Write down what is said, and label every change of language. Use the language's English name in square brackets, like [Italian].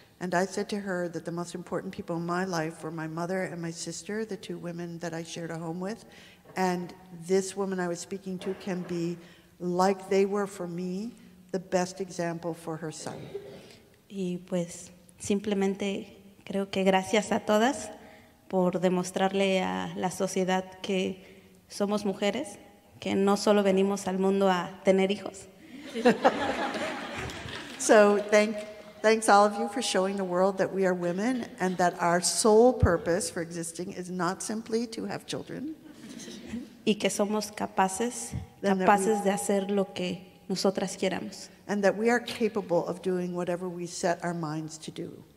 [English] And I said to her that the most important people in my life were my mother and my sister, the two women that I shared a home with. And this woman I was speaking to can be, like they were for me, the best example for her son. [Spanish] Y pues, simplemente creo que gracias a todas por demostrarle a la sociedad que somos mujeres, que no solo venimos al mundo a tener hijos. [English] So thanks all of you for showing the world that we are women and that our sole purpose for existing is not simply to have children. [Spanish] Y que somos capaces de hacer lo que nosotras queramos. [English] And that we are capable of doing whatever we set our minds to do.